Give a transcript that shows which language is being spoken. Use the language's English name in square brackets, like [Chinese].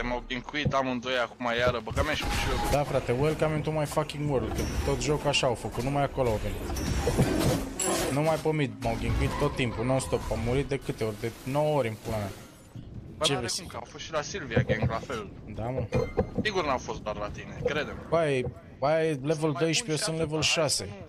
[Romanian] Incuit amândoi acum iară, bă, că mi-ai spus și eu. Da, frate, [English] welcome into my fucking world. [Romanian] Tot jocul așa au făcut, numai acolo au venit. Numai pe mid m-au incuit tot timpul, non-stop. Am murit de câte ori? De 9 ori în pula mea. Bă, ce vezi? Cum, că au fost și la Silvia gang, la fel. Da, mă. Sigur n-au fost doar la tine, crede-mă. Băi, băi, level 12, eu sunt level 6.